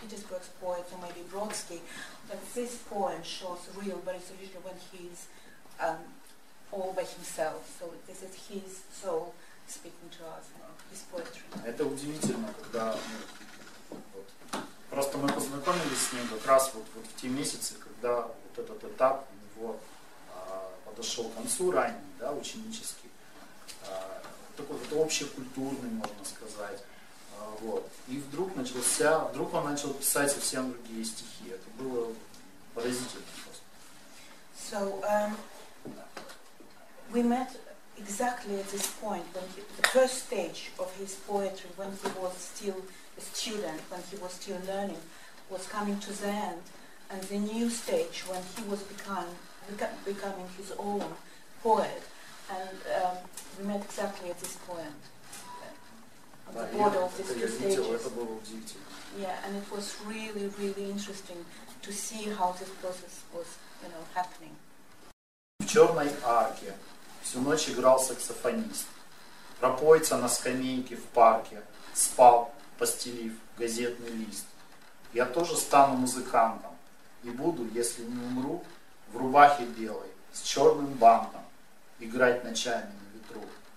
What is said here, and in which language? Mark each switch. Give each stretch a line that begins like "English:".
English: Petersburg poet or maybe Brodsky, but this poem shows real Boris Ryzhyho when he is all by himself. So this is his soul speaking to us, his poetry.
Russian: Это удивительно, когда просто мы познакомились с ним как раз вот в те месяцы, когда вот этот этап у него подошел к концу ранний, да, ученический. Такой вот общекультурный, можно сказать. Вот. И вдруг он начал писать совсем другие стихи. Это было поразительно просто.
English: So, we met exactly at this point, when the first stage of his poetry, when he was still a student, when he was still learning, was coming to the end. And the new stage, when he was becoming his own poet, and we met exactly at this point, at the border of these two stages. Yeah, and it was really, really interesting to see how this process was, you know, happening.
Russian: В черной арке всю ночь играл саксофонист. Рапойца на скамейке в парке спал, постелив газетный лист. Я тоже стану музыкантом и буду, если не умру, в рубахе белой с черным бантом играть ночами на ветру.